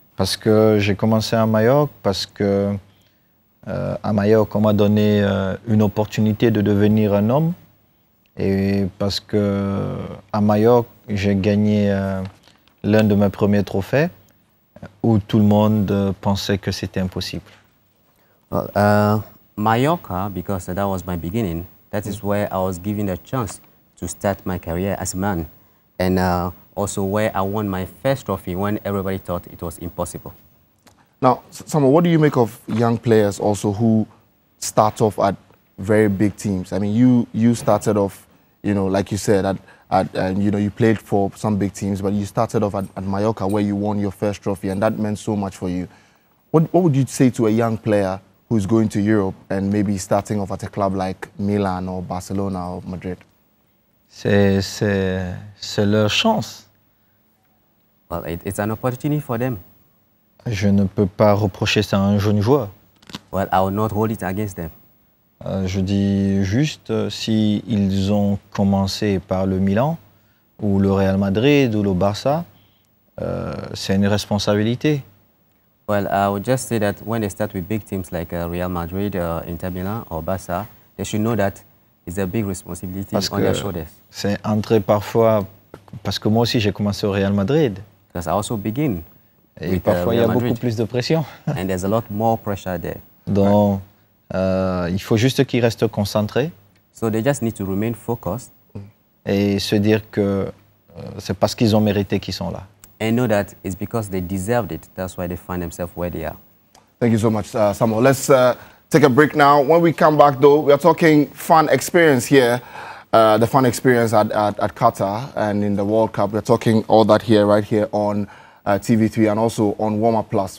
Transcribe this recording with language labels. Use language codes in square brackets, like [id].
[fr] Parce que j'ai commencé à Mallorca, parce que à Mallorca, on m'a donné une opportunité de devenir un homme. Et parce que à Mallorca, j'ai gagné l'un de mes premiers trophées où tout le monde pensait que c'était impossible. [en] Well, Mallorca, because that was my beginning, that is where I was given the chance to start my career as a man. And also where I won my first trophy when everybody thought it was impossible. Now, Samo, what do you make of young players also who start off at very big teams? I mean, you started off, you know, like you said, you played for some big teams, but you started off at Mallorca where you won your first trophy, and that meant so much for you. What would you say to a young player who's going to Europe and maybe starting off at a club like Milan or Barcelona or Madrid? [fr] C'est leur chance. [en] Well, it's an opportunity for them. [fr] Je ne peux pas reprocher ça à un jeune joueur. [en] Well, I will not hold it against them. [fr] Je dis juste, si ils ont commencé par le Milan, ou le Real Madrid, ou le Barça, c'est une responsabilité. [en] Well, I would just say that when they start with big teams like Real Madrid, Inter Milan or Barça, they should know that it's a big responsibility [fr] parce [en] on their shoulders. [fr] C'est entré parfois, parce que moi aussi j'ai commencé au Real Madrid. [en] Because I also begin [fr] et [en] with Real [fr] Madrid. Et parfois il y a [en] Madrid. [fr] Beaucoup plus de pression. [en] And there's a lot more pressure there. [fr] Donc, il faut juste qu'ils restent concentrés. [en] So they just need to remain focused. [fr] Et se dire que c'est parce qu'ils ont mérité qu'ils sont là. [en] And know that it's because they deserved it. That's why they find themselves where they are. Thank you so much, Samo. Let's take a break now. When we come back, though, we are talking fan experience here the fun experience at Qatar and in the World Cup. We're talking all that here, right here on TV3 and also on Warm Up Plus.